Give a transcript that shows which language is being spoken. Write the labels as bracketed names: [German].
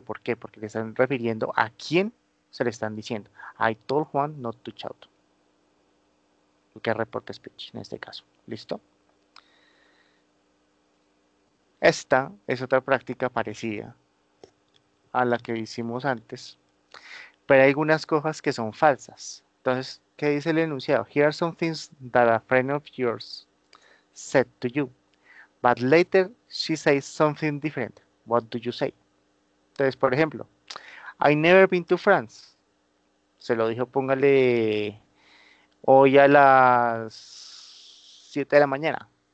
[Spanish] ¿Por qué? Porque le están refiriendo a quién se le están diciendo. [English] I told Juan not to shout. [Spanish] que report speech en este caso. ¿Listo? Esta es otra práctica parecida a la que hicimos antes, pero hay algunas cosas que son falsas. Entonces, ¿qué dice el enunciado? [English] Here are some things that a friend of yours said to you, but later she says something different. What do you say? [Spanish] Entonces, por ejemplo, [English] I never been to France. [Spanish] Se lo dijo, póngale, hoy a las 7 de la mañana.